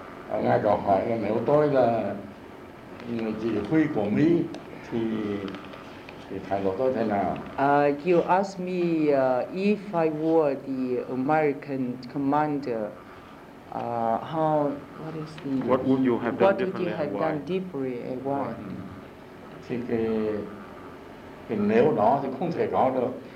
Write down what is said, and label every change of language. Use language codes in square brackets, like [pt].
[vi] anh ai có hỏi là nếu tôi là người chỉ huy của Mỹ thì thái độ tôi thế nào? [en] You ask me if I were the American commander, what is the what would you have done differently? What would you have done differently and why? [vi] Thì cái nếu đó thì không thể có được.